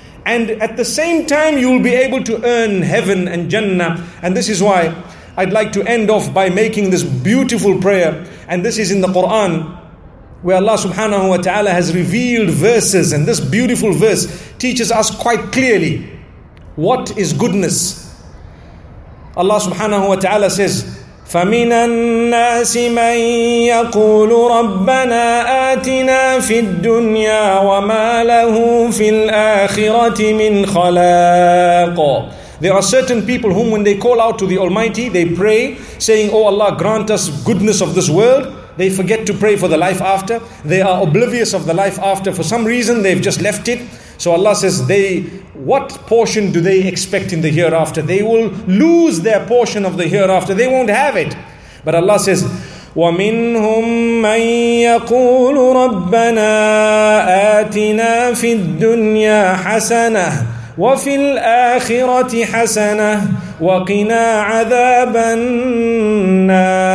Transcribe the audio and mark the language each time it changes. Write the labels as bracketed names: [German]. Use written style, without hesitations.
[English] And at the same time, you will be able to earn heaven and Jannah. And this is why I'd like to end off by making this beautiful prayer. And this is in the Quran, where Allah subhanahu wa ta'ala has revealed verses. And this beautiful verse teaches us quite clearly what is goodness. [Arabic] Allah subhanahu wa ta'ala says, فَمِنَ النَّاسِ مَنْ يَقُولُ رَبَّنَا آتِنَا فِي الدُّنْيَا وَمَا لَهُ فِي الْآخِرَةِ مِنْ خَلَاقٍ. [English] There are certain people whom when they call out to the Almighty, they pray saying, "Oh Allah, grant us goodness of this world." They forget to pray for the life after. They are oblivious of the life after. For some reason, they've just left it. So Allah says, what portion do they expect in the hereafter? They will lose their portion of the hereafter. They won't have it. [Arabic] But Allah says, وَمِنْهُمْ مَنْ يَقُولُ رَبَّنَا آتِنَا فِي الدُّنْيَا حَسَنَةً وَفِي الْآخِرَةِ حَسَنَةً وَقِنَا عَذَابَ النَّارِ.